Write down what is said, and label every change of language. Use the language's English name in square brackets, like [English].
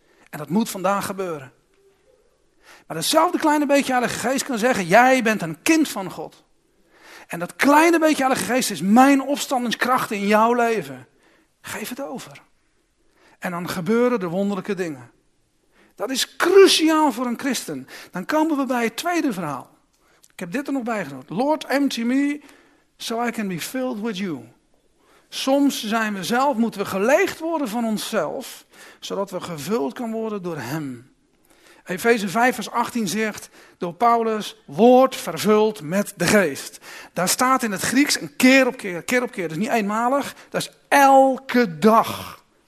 [Dutch] En dat moet vandaag gebeuren. Maar datzelfde kleine beetje Heilige Geest kan zeggen, jij bent een kind van God. En dat kleine beetje Heilige Geest is mijn opstandingskracht in jouw leven. Geef het over. En dan gebeuren de wonderlijke dingen. Dat is cruciaal voor een christen. Dan komen we bij het tweede verhaal. Ik heb dit er nog bij genoemd. [English] Lord, empty me, so I can be filled with you. [Dutch] Soms zijn we zelf, moeten we geleegd worden van onszelf, zodat we gevuld kan worden door hem. Efeze 5 vers 18 zegt door Paulus, word vervuld met de geest. Daar staat in het Grieks een keer op keer, keer op keer. Dat is niet eenmalig, dat is elke dag.